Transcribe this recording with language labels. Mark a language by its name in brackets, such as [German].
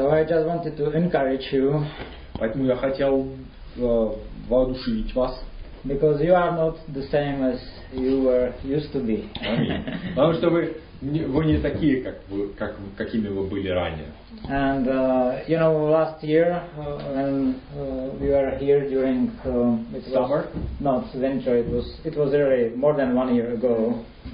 [English] So I just wanted to encourage you. [Russian] Поэтому я хотел воодушевить вас. [English] Because you are not the same as you were used to be. [Russian] Потому что вы не такие, какими вы были ранее. [English] And you know, last year when we were here during summer, not winter, it was really more than one year ago.